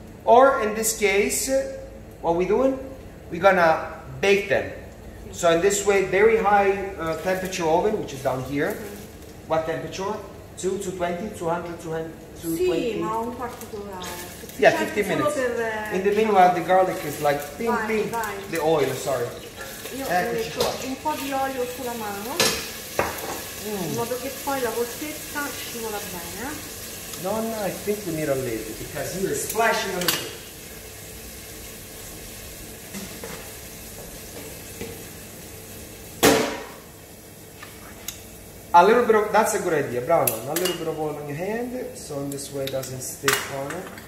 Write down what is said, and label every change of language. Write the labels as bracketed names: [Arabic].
[English] Or in this case, what we doing? We're gonna bake them. So in this way, very high temperature oven, which is down here. Mm-hmm. What temperature? 220, 200, 220? [Italian] Sì, ma un quarto d'ora. [English] Yeah, 15 minutes. In the meanwhile, the garlic is like ping, [Italian] vai, ping. Vai. [English] The oil, sorry. [Italian] Io metto un po' di olio sulla mano. In modo che poi la polpetta scivola bene. [English] Nonna, I think we need a lid because you're splashing a little. A little bit of, that's a good idea, bravo. A little bit of oil on your hand so in this way it doesn't stick on it.